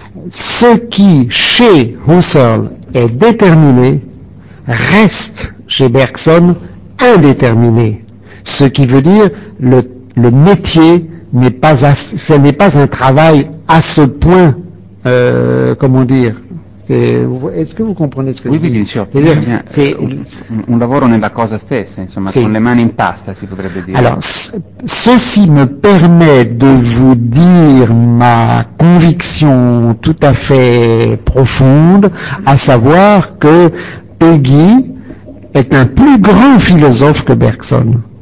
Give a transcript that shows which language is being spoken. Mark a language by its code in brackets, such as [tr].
[fr] Ce qui, chez Husserl, est déterminé, reste, chez Bergson, indéterminé. Ce qui veut dire le métier n'est pas ce n'est pas un travail à ce point. Comment dire, est-ce que vous comprenez ce que oui, je veux dire? Oui, bien sûr. C'est-à-dire, c'est un [it] lavoro nella cosa stessa, insomma, con le mani in pasta, si potrebbe dire. [fr] Alors, ceci me permet de vous dire ma conviction tout à fait profonde, à savoir que Peggy est un plus grand philosophe que Bergson.